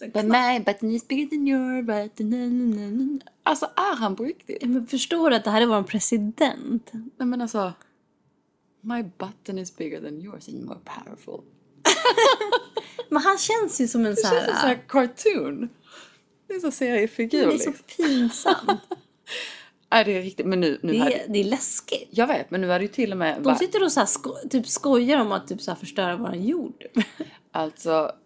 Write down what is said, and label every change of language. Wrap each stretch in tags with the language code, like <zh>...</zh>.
<en>But my button is bigger than your button.</en> <sv>Alltså, är han på riktigt? Ja, men förstår du att det här är vår president? Nej, men alltså,</sv> <en>my button is bigger than yours and more powerful.</en> <sv>Men han känns ju som en sån här... Det känns som en sån här cartoon. Det är så seriefigur. Det är så pinsamt. Är det riktigt? Men nu det, hade... det är läskigt. Jag vet, men nu är det ju till och med... De sitter och så här typ skojar om att typ så här förstöra vår jord. Alltså,</sv>